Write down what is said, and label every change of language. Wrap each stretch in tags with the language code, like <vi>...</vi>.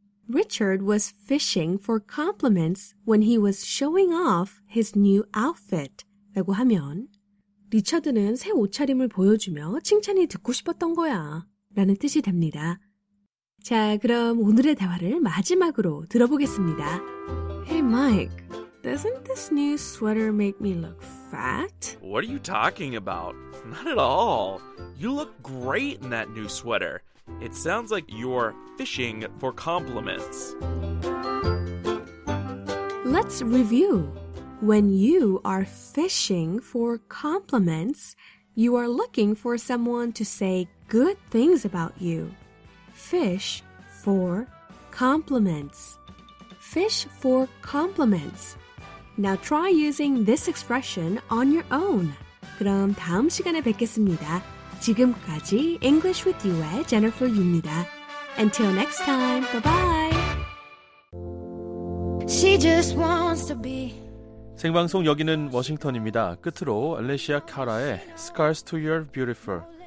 <en>Richard was fishing for compliments when he was showing off his new outfit.</en> <ko>라고 하면 리처드는 새 옷차림을 보여주며 칭찬이 듣고 싶었던 거야. 라는 뜻이 됩니다. 자, 그럼 오늘의 대화를 마지막으로 들어보겠습니다.</ko> <en>Hey, Mike, doesn't this new sweater make me look fat? What are you talking about? Not at all. You look great in that new sweater. It sounds like you're fishing for compliments. Let's review. When you are fishing for compliments, you are looking for someone to say good things about you. Fish for compliments. Fish for compliments. Now try using this expression on your own.</en> <ko>그럼 다음 시간에 뵙겠습니다. 지금까지 English with You의 Jennifer Yu입니다.</ko> <en>Until next time, bye-bye. She just wants to be.</en> <ko>생방송 여기는 워싱턴입니다. 끝으로 알레시아 카라의 Scars to Your Beautiful.</ko>